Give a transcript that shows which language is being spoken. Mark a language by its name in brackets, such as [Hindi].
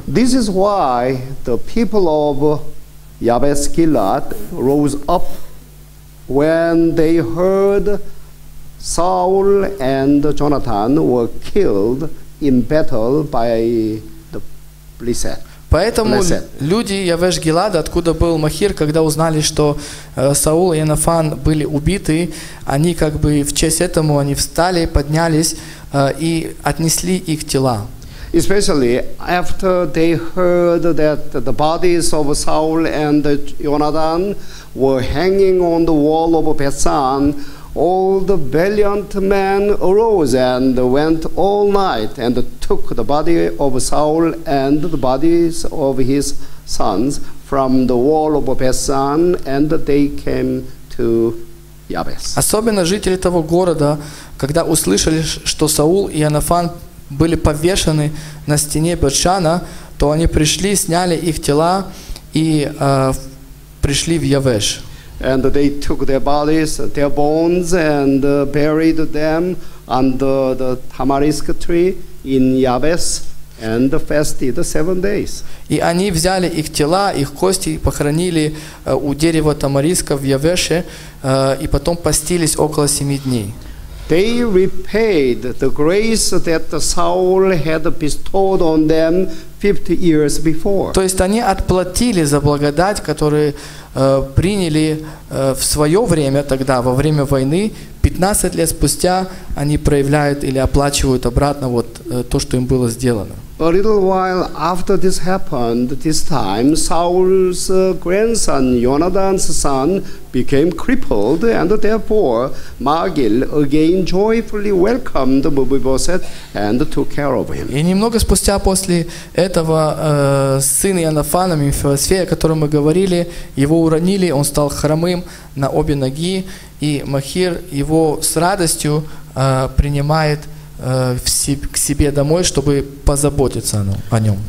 [English] This is why the people of Yabesh Gilead rose up when they heard Saul and Jonathan were killed in battle by the Blessed. [Russian] Поэтому люди Явеш Гилада, откуда был Махир, когда узнали, что Саул и Янафан были убиты, они как бы в честь этого они встали, поднялись и отнесли их тела. [English] Especially after they heard that the bodies of Saul and Jonathan were hanging on the wall of Bethshan, all the valiant men arose and went all night and took the body of Saul and the bodies of his sons from the wall of Bethshan, and they came to Yabesh. [Russian] Особенно жители того города, когда услышали, что Саул и Янафан были повешены на стене Бетшана, то они пришли, сняли их тела и пришли в Явеш. [English] And they took their bodies, their bones, and buried them under the tamarisk tree in Yabes, and fasted 7 days. [Russian] И они взяли их тела, их кости, похоронили у дерева тамариска в Явеше, и потом постились около 7 дней. [English] They repaid the grace that Saul had bestowed on them 50 years before. [Russian] То есть они отплатили за благодать, которую приняли в свое время тогда, во время войны. 15 лет спустя они проявляют или оплачивают обратно вот то, что им было сделано. [English] A little while after this happened, this time Saul's grandson, Jonathan's son, became crippled, and therefore Magil again joyfully welcomed Mephibosheth and took care of him. [Russian] И немного спустя после этого сын Ионафана, Мефибосфея, о котором мы говорили, его уронили, он стал хромым на обе ноги, и Махир его с радостью принимает к себе домой, чтобы позаботиться о нем.